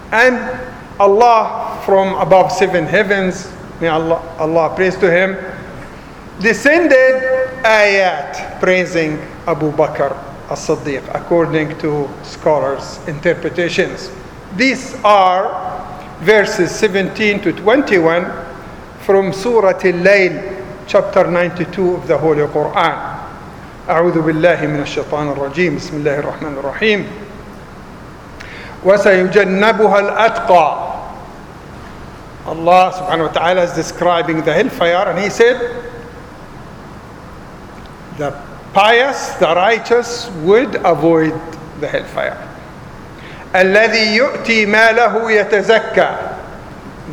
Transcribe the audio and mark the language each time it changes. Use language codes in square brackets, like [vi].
[en] And Allah from above seven heavens, may Allah praise to him, descended ayat praising Abu Bakr as-Siddiq according to scholars' interpretations. These are verses 17 to 21 from Surah Al-Layl, chapter 92 of the Holy Quran. [ar] أعوذ بالله من الشيطان الرجيم بسم الله الرحمن الرحيم وسيجنبها الأتقى. [en] Allah subhanahu wa ta'ala is describing the hellfire and he said the pious, the righteous would avoid the hellfire. [ar] الذي يؤتي ماله يتزكى.